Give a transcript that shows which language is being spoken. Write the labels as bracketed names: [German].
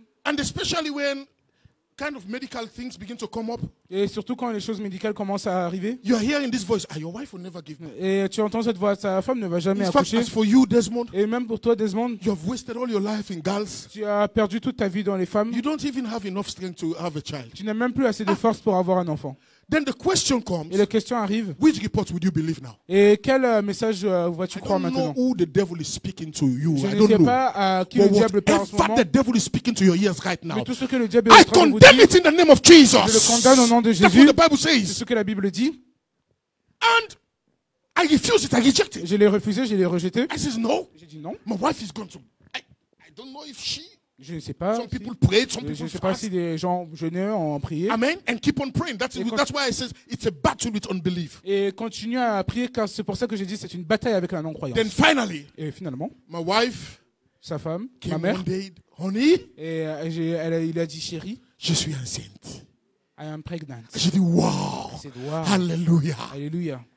[English] And especially when kind of medical things begin to come up. [French] Et surtout quand les choses médicales commencent à arriver. [English] You are hearing this voice. Your wife will never give birth. [French] Et tu entends cette voix. Ta femme ne va jamais [English] in [French] accoucher. [English] Fact, as for you, Desmond. [French] Et même pour toi, Desmond. [English] You have wasted all your life in girls. [French] Tu as perdu toute ta vie dans les femmes. [English] You don't even have enough strength to have a child. [French] Tu n'as même plus assez de force pour avoir un enfant. [English] Then the question comes. [French] Et la question arrive. [English] Which report would you believe now? [French] Et quel message vas-tu croire maintenant? [English] I don't know who the devil is speaking to you. [French] Je [English] I don't know. [French] Je ne sais pas à qui le diable parle en ce moment. [English] The devil is speaking to your ears right now. [French] Mais tout ce que le diable est [English] I condemn it in the name of Jesus. [French] Je le condamne au nom de Jésus. [English] That's what the Bible says. [French] C'est ce que la Bible dit. [English] And I refuse it. I reject it. [French] Je l'ai refusé. Je l'ai rejeté. [English] I says no. [French] J'ai dit non. [English] My wife is going to. I don't know if she. [French] Je ne sais pas. [English] Some people pray, some people [French] je ne sais pas [English] fast. [French] Si des gens jeûnent ont prié. [English] Amen. And keep on praying. That's why I says it's a battle with unbelief. [French] Et continue à prier car c'est pour ça que j'ai dit c'est une bataille avec la non-croyance. [English] Then finally, [French] et finalement, [English] my wife, [French] sa femme, [English] came [French] ma mère, [English] day, honey, [French] et il a dit chérie, je suis enceinte. [English] I am pregnant. [French] J'ai dit wow. C'est wow. Alléluia. Alléluia.